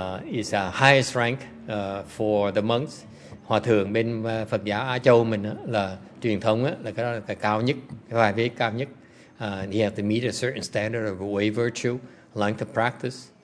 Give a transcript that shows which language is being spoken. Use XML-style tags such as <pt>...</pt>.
<en>Is a highest rank for the monks.</en> <vi>Hòa thượng bên Phật giáo Á Châu mình là truyền thống là cái đó là cao nhất, vai vế cao nhất.</vi> <en>He had to meet a certain standard of way virtue, length of practice.</en>